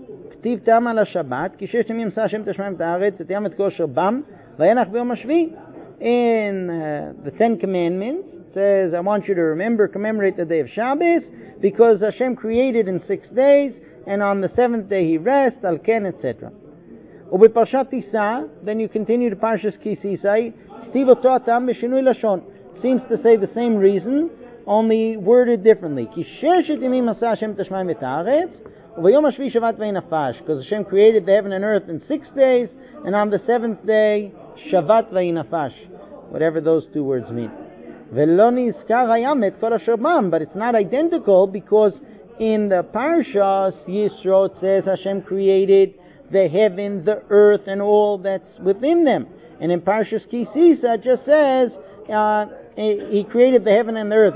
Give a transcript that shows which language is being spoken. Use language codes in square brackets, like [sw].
[he] כתיב תם על השבת, כי ששת ימים עשה השם את השמיים ואת הארץ, את ים את כושר בם, וינח ביום השביעי. [en] In the Ten Commandments, it says, I want you to remember, commemorate the day of Shabbos, because Hashem created in 6 days, and on the seventh day He rests, [he] al ken, [en] etc. [he] ובפרשת תיסה, [en] then you continue to parshas ki sisai, [he] כתיב אותו הטעם בשינוי לשון. [en] Seems to say the same reason, only worded differently. [he] כי ששת ימים עשה השם את השמיים ואת הארץ, וביום השביעי שבת ונפש, [en] because Hashem created the heaven and earth in 6 days, and on the 7th day, [he] שבת ונפש. [en] Whatever those two words mean. [he] ולא נזכר הים את כל אשר בם, [en] but it's not identical, because in the parshas, Yisro says Hashem created the heaven, the earth, and all that's within them. And in Parshas Kisisa, it just says he created the heaven and the earth.